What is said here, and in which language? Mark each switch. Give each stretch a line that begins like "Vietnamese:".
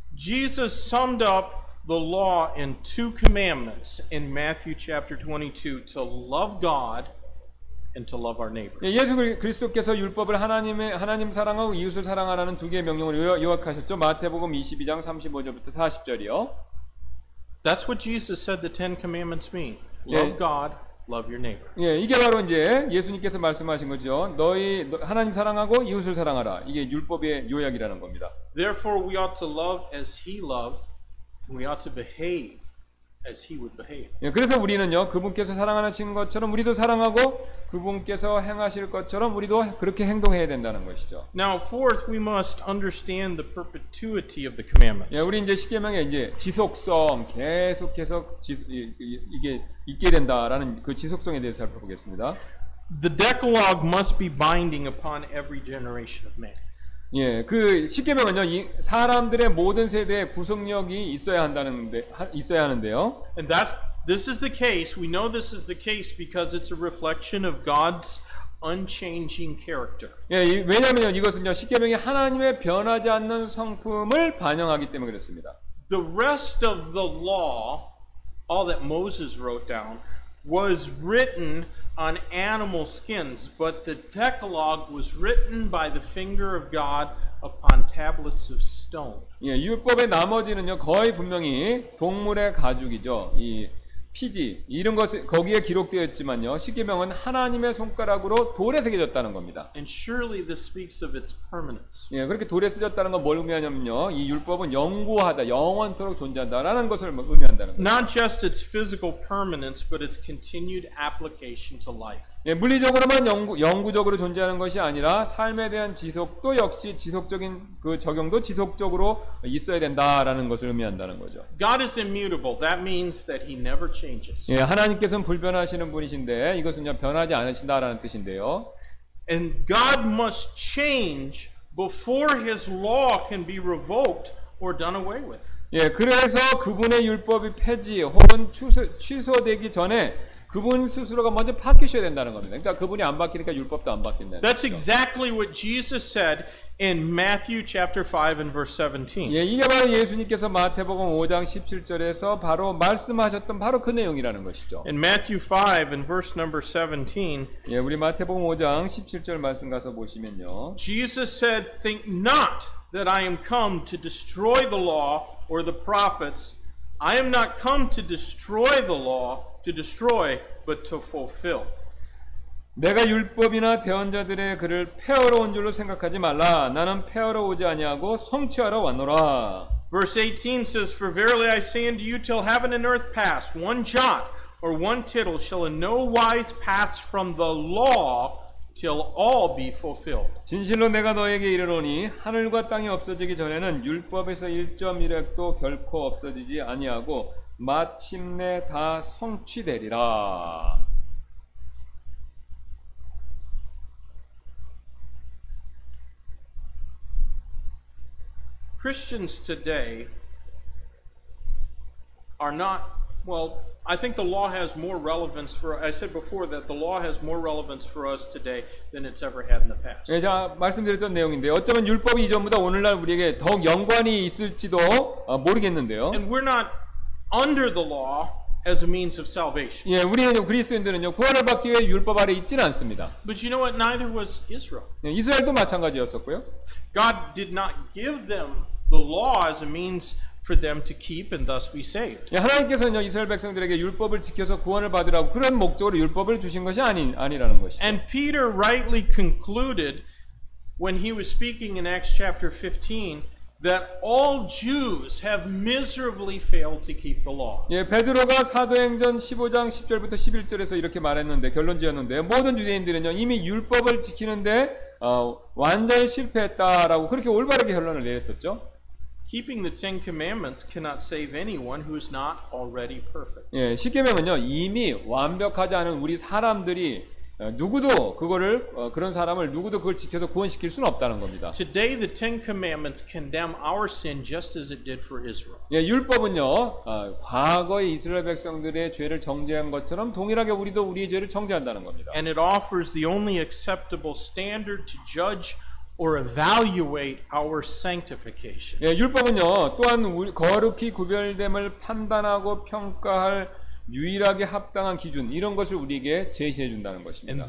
English: Jesus summed up the law in two commandments in Matthew chapter 22 to love God and to love our neighbor.
Korean: 예, 예수 그리스도께서 율법을 하나님 사랑하고 이웃을 사랑하라는 두 개의 명령을 요약하셨죠. 마태복음 22장 35절부터 40절이요.
English: That's what Jesus said the Ten Commandments mean. Love God, love your neighbor.
Korean: 예, 이게 바로 이제 예수님께서 말씀하신 거죠. 하나님 사랑하고 이웃을 사랑하라. 이게 율법의 요약이라는 겁니다.
English: Therefore we ought to love as he loved and we ought to behave as he would behave.
Korean: 예, 그래서 우리는요. 그분께서 사랑하신 것처럼 우리도 사랑하고 그분께서 행하실 것처럼 우리도 그렇게 행동해야 된다는 것이죠.
English: Now fourth, we must understand the perpetuity of the commandments.
Korean: 예, 우리 이제 십계명의 이제 지속성 계속해서 이게 있게 된다라는 그 지속성에 대해서 살펴보겠습니다.
English: The Decalogue must be binding upon every generation of man.
Korean: 예, 그 십계명은요, 사람들의 모든 세대에 구속력이 있어야 하는데요.
English: And this is the case. We know this is the case because it's a reflection of God's unchanging character.
Korean: 예, 왜냐하면 이것은요, 십계명이 하나님의 변하지 않는 성품을 반영하기 때문에 그렇습니다.
English: The rest of the law, all that Moses wrote down, was written on animal skins, but the Decalogue was written by the finger of God upon tablets of stone.
Korean: 예, 율법의 나머지는요 거의 분명히 동물의 가죽이죠. 이 피지 이런 것 거기에 기록되었지만요 십계명은 하나님의 손가락으로 돌에 새겨졌다는 겁니다.
English: And surely this speaks of its permanence.
Korean: 예, 그렇게 돌에 쓰였다는 건 뭘 의미하냐면요 이 율법은 영구하다, 영원토록 존재한다라는 것을 의미한다는 거예요.
English: Not just its physical permanence, but its continued application to life.
Korean: 예, 물리적으로만 영구적으로 존재하는 것이 아니라 삶에 대한 지속도 역시 지속적인 그 적용도 지속적으로 있어야 된다라는 것을 의미한다는 거죠.
English: God is immutable. That means that he never changes.
Korean: 예, 하나님께서는 불변하시는 분이신데 이것은 변하지 않으신다라는 뜻인데요.
English: And God must change before his law can be revoked or done away with.
Korean: 예, 그래서 그분의 율법이 폐지 혹은 취소되기 전에 그분 스스로가 먼저 바뀌셔야 된다는 겁니다. 그러니까 그분이 안 바뀌니까 율법도 안 바뀐다는 거죠.
English: That's exactly what Jesus said in Matthew chapter 5 and verse 17.
Korean: 예, 이게 바로 예수님께서 마태복음 5장 17절에서 바로 말씀하셨던 바로 그 내용이라는 것이죠.
English: In Matthew 5 and verse number 17.
Korean: 예, 우리 마태복음 5장 17절 말씀 가서 보시면요.
English: Jesus said, "Think not that I am come to destroy the law or the prophets. I am not come to destroy the law." To destroy, but to fulfill.
Korean: 내가 율법이나 대언자들의 글을 폐하러 온 줄로 생각하지 말라. 나는 폐하러 오지 아니하고 성취하러 왔노라.
English: Verse 18 says, "For verily I say unto you, till heaven and earth pass, one jot or one tittle shall in no wise pass from the law till all be fulfilled."
Korean: 진실로 내가 너에게 이르노니 하늘과 땅이 없어지기 전에는 율법에서 1점이라도 결코 없어지지 아니하고 마침내 다 성취되리라.
English: Christians today are not well. I think the law has more relevance for. I said before that the law has more relevance for us today than it's ever had in the past.
Korean: 예, 자 말씀드렸던 내용인데 어쩌면 율법이 이전보다 오늘날 우리에게 더욱 연관이 있을지도 모르겠는데요.
English: And we're not. Under the law as a means of salvation.
Korean: 예, 우리 그리스도인들은요 구원을 받기 위해 율법 아래 있지는 않습니다.
English: But you know what? Neither was Israel.
Korean: 예, 이스라엘도 마찬가지였었고요.
English: God did not give them the law as a means for them to keep and thus be saved.
Korean: 예, 하나님께서는요 이스라엘 백성들에게 율법을 지켜서 구원을 받으라고 그런 목적으로 율법을 주신 것이 아니라는 것이죠.
English: And Peter rightly concluded when he was speaking in Acts chapter 15. That all Jews have miserably failed to keep the law.
Korean: 예, 베드로가 사도행전 15장 10절부터 11절에서 이렇게 말했는데 결론지었는데 모든 유대인들은요 이미 율법을 지키는데 완전히 실패했다라고 그렇게 올바르게 결론을 내렸었죠.
English: Keeping the Ten Commandments cannot save anyone who is not already perfect.
Korean: 예, 십계명은요 이미 완벽하지 않은 우리 사람들이 누구도 그거를 그런 사람을 누구도 그걸 지켜서 구원시킬 수는 없다는 겁니다.
English: Today the Ten Commandments condemn our sin just as it did for Israel.
Korean: 예, 율법은요 과거의 이스라엘 백성들의 죄를 정죄한 것처럼 동일하게 우리도 우리의 죄를 정죄한다는 겁니다.
English: And it offers the only acceptable standard to judge or evaluate our sanctification.
Korean: 예, 율법은요 또한 거룩히 구별됨을 판단하고 평가할 유일하게 합당한 기준 이런 것을 우리에게 제시해 준다는 것입니다.